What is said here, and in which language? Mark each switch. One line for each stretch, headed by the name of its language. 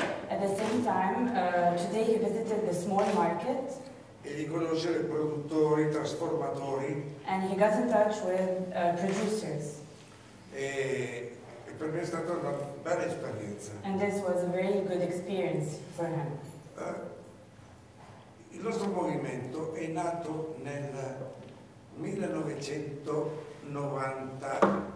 English: At the same time, today he visited the small market.
Italian: E di conoscere produttori, trasformatori.
English: And he got in touch with producers.
Italian: E per me è stata una bella esperienza.
English: And this was a very good experience for him.
Italian: Il nostro movimento è nato nel 1989.